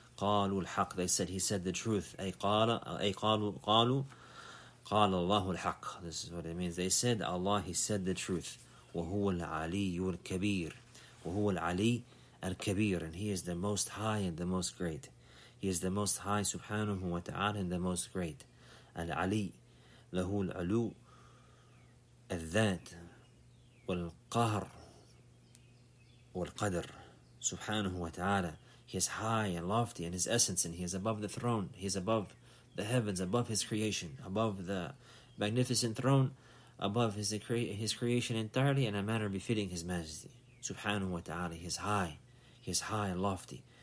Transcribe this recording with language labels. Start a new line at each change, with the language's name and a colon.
Arabic: قَالُوا الْحَقُّ,
English: they said, he said the truth.
Arabic: قَالَ اللَّهُ الْحَقُّ,
English: this is what it means. They said, Allah, he said the truth.
Arabic: وَهُوَ الْعَلِيُّ الْكَبِيرُ, وَهُوَ الْعَلِيُّ الْكَبِيرُ,
English: and he is the most high and the most great. He is the most high, subhanahu wa ta'ala, and the most great.
Arabic: العلي له العلو الذات والقهر والقدر, سبحانه وتعالى.
English: He is high and lofty in his essence, and he is above the throne. He is above the heavens, above his creation, above the magnificent throne, above his creation entirely in a manner befitting his majesty.
Arabic: سبحانه وتعالى,
English: he is high and lofty.